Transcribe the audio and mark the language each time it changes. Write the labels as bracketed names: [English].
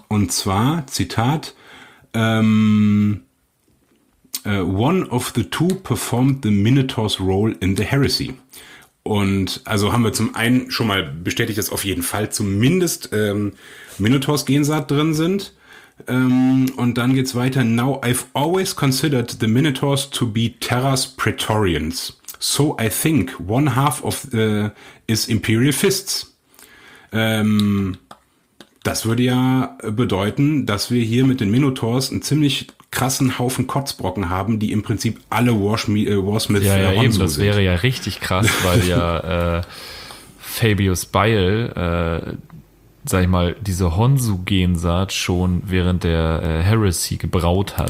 [German] Und zwar, Zitat, [English] one of the two performed the Minotaur's role in the Heresy. [German] Und also haben wir zum einen schon mal bestätigt, dass auf jeden Fall zumindest Minotaurs Gensaat drin sind. Und dann geht's weiter. [English] Now I've always considered the Minotaurs to be Terra's Praetorians. So I think one half of is Imperial Fists. [German] Das würde ja bedeuten, dass wir hier mit den Minotaurs einen ziemlich krassen Haufen Kotzbrocken haben, die im Prinzip alle Warsmith ja, eben, sind. Das wäre ja richtig krass, weil ja Fabius Beil, sag ich mal, diese Honsu-Gensaat schon während der Heresy gebraut hat.